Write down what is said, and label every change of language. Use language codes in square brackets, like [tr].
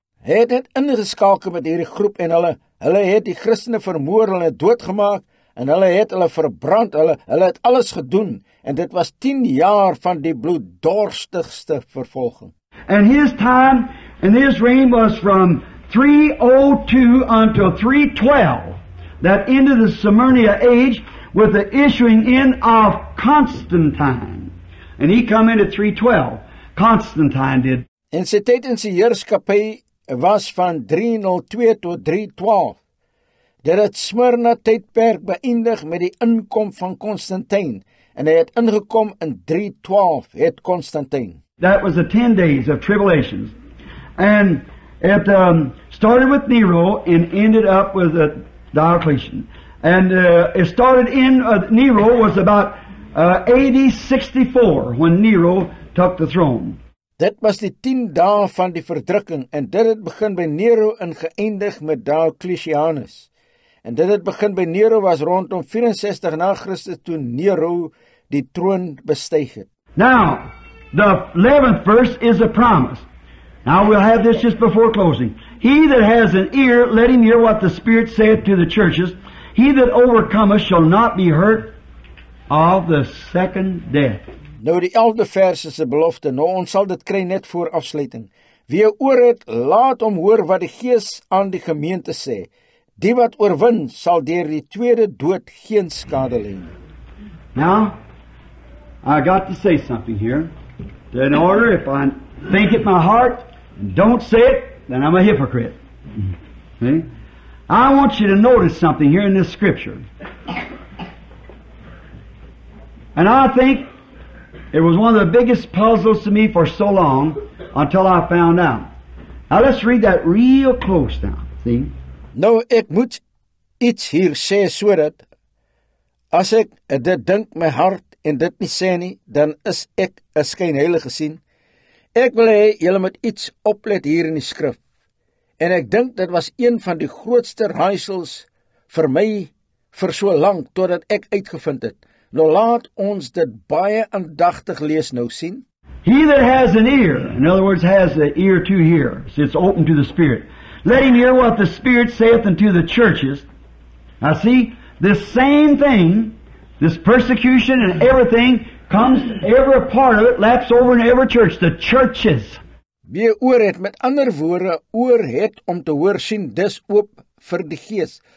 [af] Hy het ingeskakel met hierdie groep en hulle het die Christene vermoor, hulle het doodgemaak en hulle het hulle verbrand, hulle het alles gedoen, en dit was 10 jaar van die bloeddorstigste vervolging. [en] And his time and his reign was from 302 until 312. That ended the Smyrna age with the issuing in of Constantine. And he come in at 312. Constantine did. [af] En sy tyd in sy heerskappy was van 302 tot 312. Dit het Smyrna tydperk beëindig met die inkom van Constantine. En hy het ingekom in 312, het Constantine. [en] That was the 10 days of tribulations. And it started with Nero and ended up with Diocletian. And it started in, Nero was about AD 64 when Nero took the throne. [af] Dit was die 10 dae van die verdrukking, en dit het begin by Nero en geëindig met Diocletianus. En dit het begin by Nero was rondom 64 na Christus toe Nero die troon bestyg het. [en] Now, the 11th verse is a promise. Now we'll have this just before closing. He that has an ear, let him hear what the Spirit saith to the churches. He that overcometh shall not be hurt of the second death. [af] Nou, die 11e vers is een belofte. Nou, ons sal dit kry net voor afsluiting. Wie een oor het, laat om hoor wat die Gees aan die gemeente sê. Die wat oorwin, sal deur die tweede dood geen skade leen. [en] Now, I got to say something here. In order, if I think it my heart and don't say it, then I'm a hypocrite. See? I want you to notice something here in this scripture. And I think it was one of the biggest puzzles to me for so long until I found out. Now let's read that real close now. See? [af] Nou, ek moet iets hier sê so dat as ek dit dink my hart en dit nie sê nie, dan is ek een skynheilige sien. Ek wil hê julle moet iets oplet hier in die skrif. En ek dink dit was een van die grootste raaisels vir my vir so lang totdat ek uitgevind het. Nou laat ons dit baie aandagtig lees nou sien. [en] He that has an ear, in other words has an ear to hear, so it's open to the Spirit. Let him hear what the Spirit saith unto the churches. Now see, this same thing, this persecution and everything, comes every part of it, laps over in every church, the churches. [af] Wie oor het, met ander woorde, oor het om te hoor sien, dis oop vir die Gees.